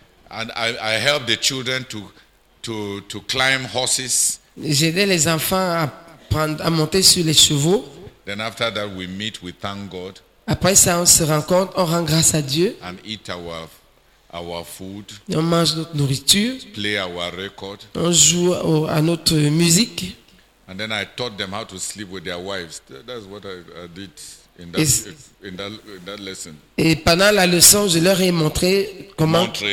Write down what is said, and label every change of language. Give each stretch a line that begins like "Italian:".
English: And I helped the children to climb horses.
French: J'aidais les enfants à monter sur les chevaux.
English: Then after that we meet, we thank God.
French: Après ça, on se rencontre, on rend grâce à Dieu.
English: And eat our food.
French: Et on mange notre nourriture.
English: Play our record.
French: On joue à notre musique.
English: And then I taught them how to sleep with their wives. That's what I did in that, in that lesson.
French: Et pendant la leçon, je leur ai montré comment.